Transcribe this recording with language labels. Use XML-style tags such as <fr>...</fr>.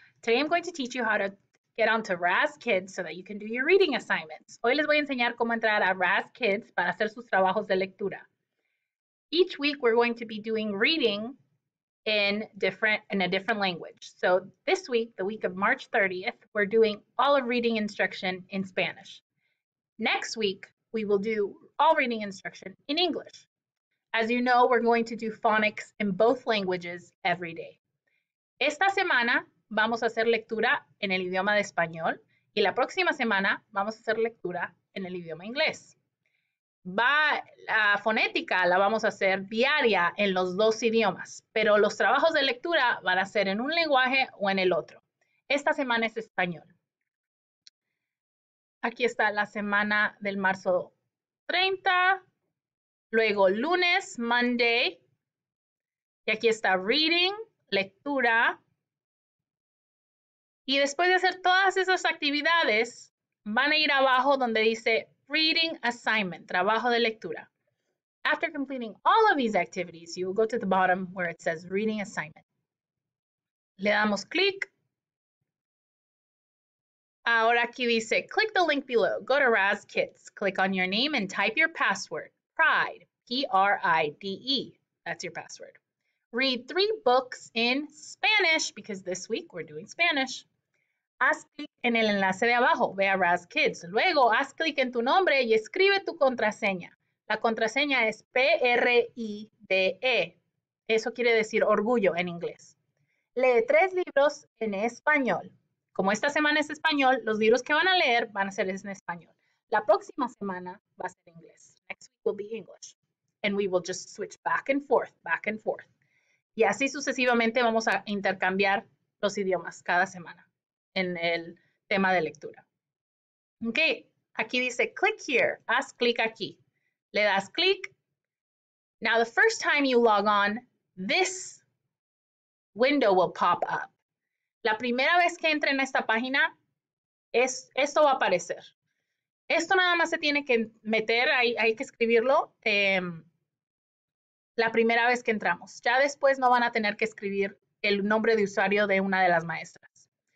<en>Today I'm going to teach you how to get onto Raz Kids so that you can do your reading assignments.</en> <es>Hoy les voy a enseñar cómo entrar a Raz Kids para hacer sus trabajos de lectura.</es> <en>Each week we're going to be doing reading in a different language. So this week, the week of March 30th, we're doing all of reading instruction in Spanish. Next week, we will do all reading instruction in English. As you know, we're going to do phonics in both languages every day.</en> <es>Esta semana vamos a hacer lectura en el idioma de español y la próxima semana vamos a hacer lectura en el idioma inglés. La fonética la vamos a hacer diaria en los dos idiomas, pero los trabajos de lectura van a ser en un lenguaje o en el otro. Esta semana es español. Aquí está la semana del marzo 30, luego lunes, Monday, y aquí está reading. Lectura. Y después de hacer todas esas actividades, van a ir abajo donde dice Reading Assignment, trabajo de lectura.</es> <en>After completing all of these activities, you will go to the bottom where it says Reading Assignment.</en> <es>Le damos clic. Ahora aquí dice,</es> <en>click the link below. Go to Raz Kids. Click on your name and type your password. Pride, P-R-I-D-E. That's your password. Read three books in Spanish because this week we're doing Spanish.</en> <es>Haz clic en el enlace de abajo, ve a Raz Kids. Luego haz clic en tu nombre y escribe tu contraseña. La contraseña es PRIDE. Eso quiere decir orgullo en inglés. Lee tres libros en español. Como esta semana es español, los libros que van a leer van a ser en español. La próxima semana va a ser inglés.</es> <en>Next week will be English. And we will just switch back and forth, back and forth.</en> <es>Y así sucesivamente vamos a intercambiar los idiomas cada semana en el tema de lectura. Ok, aquí dice</es> <en>click here,</en> <es>haz clic aquí. Le das clic.</es> <en>Now, the first time you log on, this window will pop up.</en> <es>La primera vez que entren a esta página, esto va a aparecer. Esto nada más se tiene que meter, hay que escribirlo. La primera vez que entramos. Ya después no van a tener que escribir el nombre de usuario de una de las maestras.</es>